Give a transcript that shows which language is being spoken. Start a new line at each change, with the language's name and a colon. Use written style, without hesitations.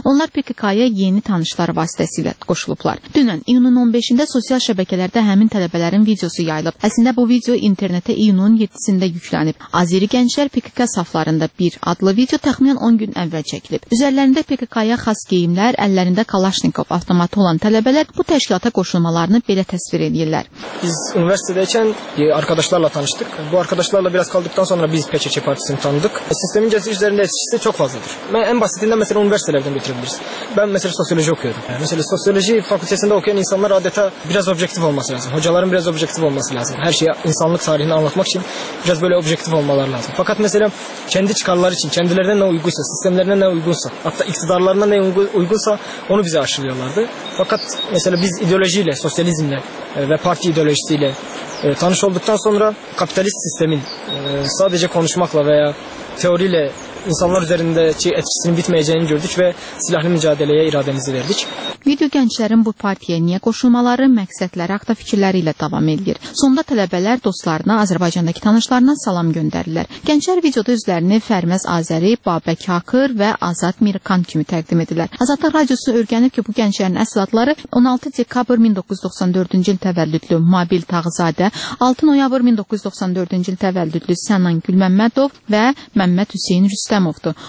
Azerbaijani: Onlar PKK-ya yeni tanışlar vasitəsilə qoşulublar. Dünən iyunun 15-də sosial şəbəkələrdə həmin tələbələrin videosu yayılıb. Əslində bu video internetə iyunun 7-sində yüklənib. Azeri gənclər PKK saflarında bir adlı video təxminən 10 gün əvvəl çəkilib. Üzərlərində PKK-ya xas geyimlər, əllərində Kalaşnikov avtomatı olan tələbələr bu təşkilata qoşulmalarını belə təsvir edirlər.
Turkish: Biz universitetdəykən arkadaşlarla tanıştık. Bu arkadaşlarla biraz kaldıktan sonra biz PKK partisini tanıdık. Sistemin cəzi üzərində etkisi çox fazladır. Mən ən basitindən məsələn universitetlərdən götürebiliriz. Ben mesela sosyoloji okuyordum. Mesela sosyoloji fakültesinde okuyan insanlar adeta biraz objektif olması lazım. Hocaların biraz objektif olması lazım. Her şeyi insanlık tarihini anlatmak için biraz böyle objektif olmaları lazım. Fakat mesela kendi çıkarları için kendilerine ne uygunsa, sistemlerine ne uygunsa, hatta iktidarlarına ne uygunsa onu bize aşılıyorlardı. Fakat mesela biz ideolojiyle, sosyalizmle ve parti ideolojisiyle tanış olduktan sonra kapitalist sistemin sadece konuşmakla veya teoriyle İnsanlar üzerindeki etkisinin bitmeyeceğini gördük ve silahlı mücadeleye irademizi verdik.
Azerbaijani: Video gençlerin bu partiye niye koşulmaları, məqsədləri haqda fikirleriyle devam edilir. Sonda tələbələr dostlarına, Azərbaycandakı tanışlarına salam göndərirlər. Gençler videoda üzlərini Fərməz Azəri, Babək Hakır ve Azad Mirkan kimi təqdim edilir. Azadlıq Radiosu öyrənir ki, bu gençlerin əsladları 16 dekabr 1994-cü il təvəllüdlü Mabil Tağzadə, 6 noyabr 1994-cü il təvəllüdlü Sənan Gülməmmədov ve Məmməd Hüseyin Rüstəmovdur.